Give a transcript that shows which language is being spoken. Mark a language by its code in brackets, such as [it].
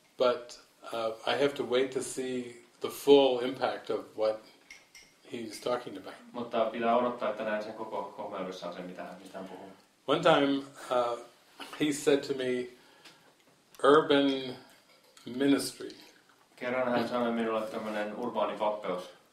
[en] But I have to wait to see the full impact of what he's talking about. [fi] Mutta pitää odottaa, että näen sen koko komeudessaan sen, mitä hän puhuu. [en] One time he said to me, urban ministry. [fi] Kerran hän sanoi minulle tämmöinen urbaani vappeus.